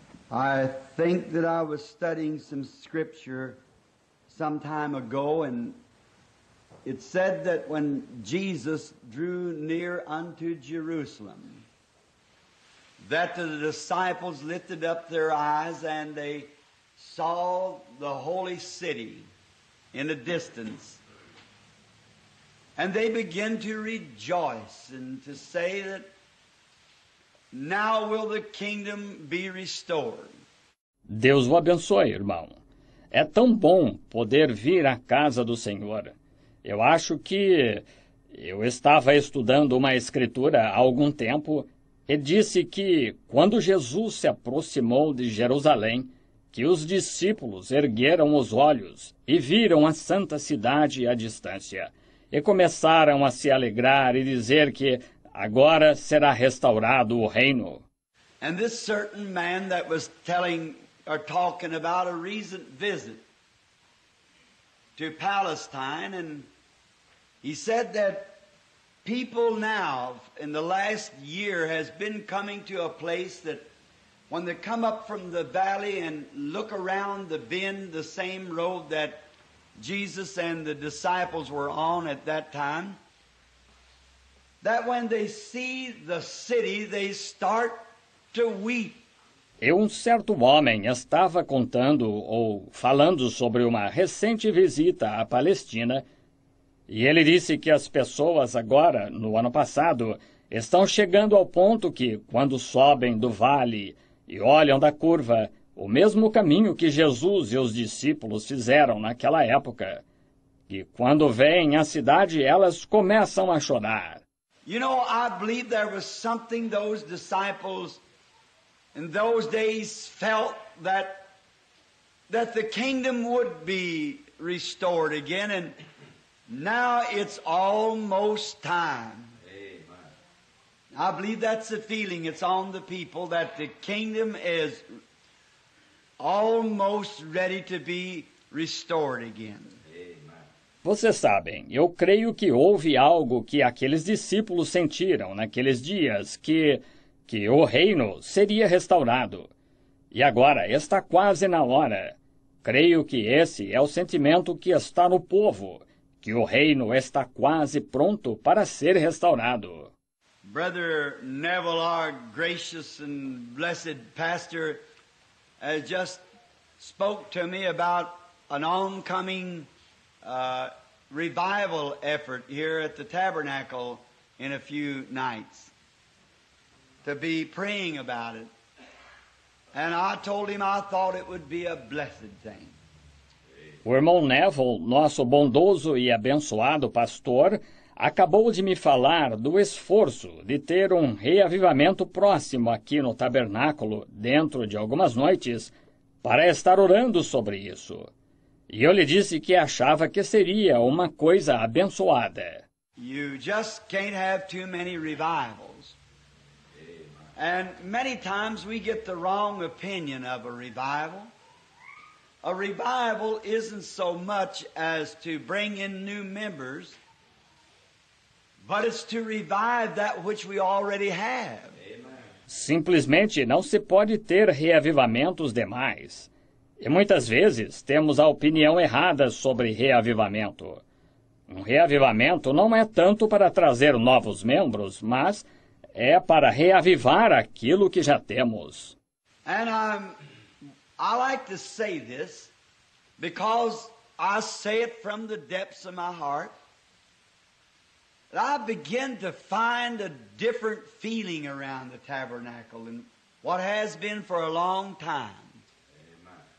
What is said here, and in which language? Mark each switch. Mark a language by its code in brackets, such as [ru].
[en] I think that I was studying some scripture some time ago, and it said that when Jesus drew near unto Jerusalem, that the disciples lifted up their eyes and they saw the holy city in the distance, and they begin to rejoice and to say that now will the kingdom be restored. [pt] Deus o abençoe, irmão. É tão bom poder vir à casa do Senhor. Eu acho que eu estava estudando uma escritura há algum tempo e disse que quando Jesus se aproximou de Jerusalém, que os discípulos ergueram os olhos e viram a santa cidade à distância, e começaram a se alegrar e dizer que agora será restaurado o reino. [en] And this certain man that was telling or talking about a recent visit to Palestine, and he said that people now in the last year has been coming to a place that when they come up from the valley and look around the bend, the same road that Jesus and the disciples were on at that time, that when they see the city, they start to weep. [pt] E um certo homem estava contando ou falando sobre uma recente visita à Palestina, e ele disse que as pessoas agora, no ano passado, estão chegando ao ponto que, quando sobem do vale e olham da curva, o mesmo caminho que Jesus e os discípulos fizeram naquela época. E quando vêm à cidade, elas começam a chorar. [en] You know, I believe there was something those disciples in those days felt that the kingdom would be restored again, and now it's almost time. I believe that's the feeling it's on the people, that the kingdom is almost ready to be restored again. [pt] Vocês sabem, eu creio que houve algo que aqueles discípulos sentiram naqueles dias, que o reino seria restaurado. E agora está quase na hora. Creio que esse é o sentimento que está no povo, que o reino está quase pronto para ser restaurado. [en] Brother Neville, our gracious and blessed pastor, has just spoke to me about an oncoming revival effort here at the tabernacle in a few nights, to be praying about it. And I told him I thought it would be a blessed thing. [pt] O irmão Neville, nosso bondoso e abençoado pastor, acabou de me falar do esforço de ter um reavivamento próximo aqui no tabernáculo dentro de algumas noites para estar orando sobre isso. E eu lhe disse que achava que seria uma coisa abençoada. [en] You just can't have too many revivals. And many times we get the wrong opinion of a revival. A revival isn't so much as to bring in new members, but it's to revive that which we already have. Amen. [pt] Simplesmente não se pode ter reavivamentos demais. E muitas vezes temos a opinião errada sobre reavivamento. Um reavivamento não é tanto para trazer novos membros, mas é para reavivar aquilo que já temos. [en] And I like to say this because I say it from the depths of my heart. I begin to find a different feeling around the tabernacle than what has been for a long time. Amen.